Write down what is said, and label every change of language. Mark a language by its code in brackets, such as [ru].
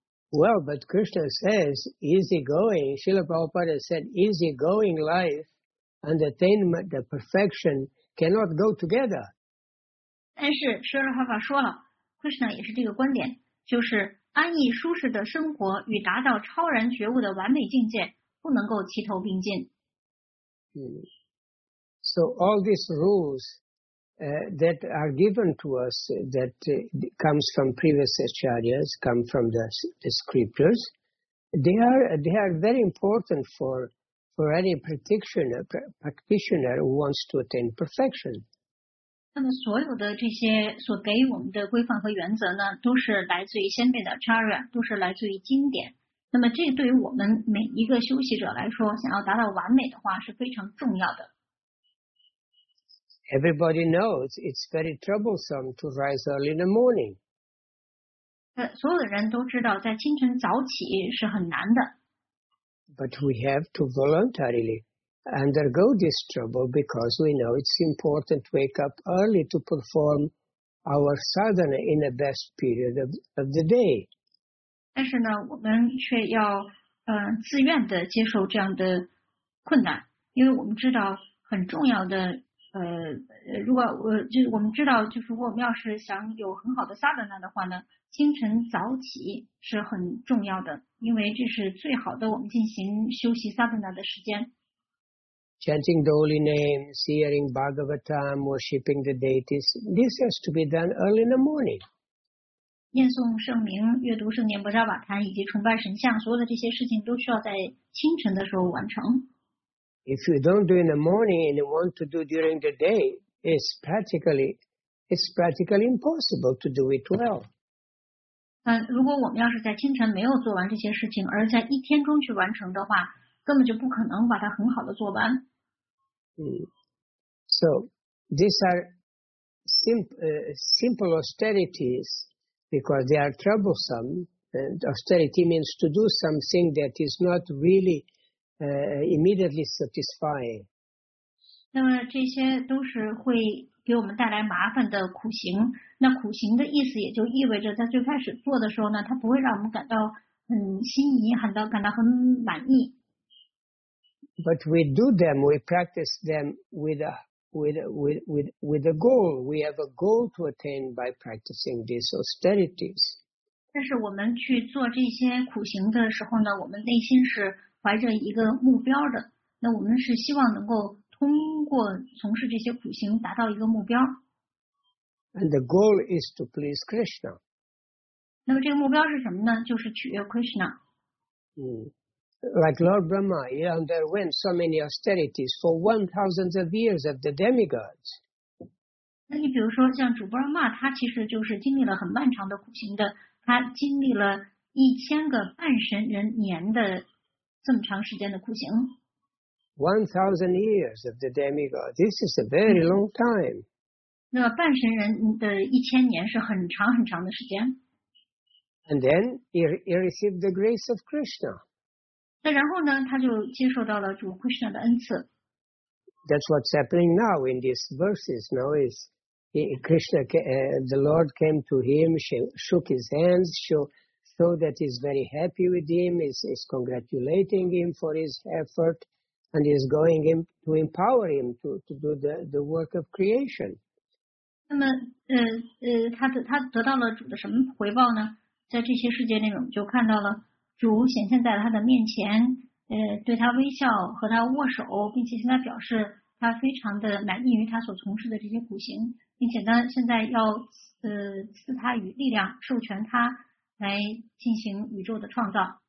[en] Well, but Krishna says easy going. Srila Prabhupada said easy going life and attainment of perfection cannot go together. [zh] 但是舍尔哈法说了 ，Krishna 也是这个观点，就是安逸舒适的生活与达到超然觉悟的完美境界不能够齐头并进。 [en] So all these rules. That are given to us, that comes from previous acharyas, come from the scriptures. They are very important for any practitioner who wants to attain perfection. [zh] 那么所有的这些所给我们的规范和原则呢，都是来自于先辈的 acharya， 都是来自于经典。那么这对于我们每一个修习者来说，想要达到完美的话，是非常重要的。 [en] Everybody knows it's very troublesome to rise early in the morning. [zh] 所有的人都知道在清晨早起是很难的。 [en] But we have to voluntarily undergo this trouble because we know it's important to wake up early to perform our sadhana in the best period of the day. [zh] 但是呢，我们却要自愿的接受这样的困难，因为我们知道很重要的。我们知道，就是如果我们要是想有很好的sadhana的话呢，清晨早起是很重要的，因为这是最好的我们进行休息sadhana的时间。 [en] Chanting the holy name, hearing Bhagavatam, worshipping the deities, this has to be done early in the morning. [zh] 念诵圣名、阅读圣念、薄伽瓦坛以及崇拜神像，所有的这些事情都需要在清晨的时候完成。 [en] If you don't do in the morning and you want to do during the day, it's practically impossible to do it well. [zh] 如果我们要是在清晨没有做完这些事情，而在一天中去完成的话，根本就不可能把它很好的做完。 [en] So these are simple austerities because they are troublesome. And austerity means to do something that is not really. Immediately satisfying. [zh] 那么这些都是会给我们带来麻烦的苦行。那苦行的意思也就意味着在最开始做的时候呢，它不会让我们感到很心仪，感到很满意。 [en] But we do them, we practice them with a goal. We have a goal to attain by practicing these austerities. [zh] 但是我们去做这些苦行的时候呢，我们内心是怀着一个目标的。那我们是希望能够通过从事这些苦行达到一个目标。 [en] And the goal is to please Krishna. [zh] 那么这个目标是什么呢？就是取悦 Krishna。 [en] 嗯。Like Lord Brahma, he underwent so many austerities for 1,000 of years of the demigods. [zh] 那你比如说像主布拉玛，他其实就是经历了很漫长的苦行的，他经历了1000个半神人年的这么长时间的苦行。 [en] 1,000 years of the demigods, this is a very long time. [zh] 那半神人的1000年是很长很长的时间。 [en] And then he received the grace of Krishna. [zh] 那然后呢，他就接受到了主 Krishna 的恩赐。 [en] That's what's happening now in these verses. Now is Krishna, the Lord came to him, shook his hands, showed that he's very happy with him, is congratulating him for his effort, and is going him to empower him to do the work of creation. [zh] 那么，他得到了主的什么回报呢？在这些世界内，我们就看到了。主显现在他的面前，对他微笑，和他握手，并且向他表示他非常的满意于他所从事的这些苦行，并且呢，现在要赐他与力量，授权他来进行宇宙的创造。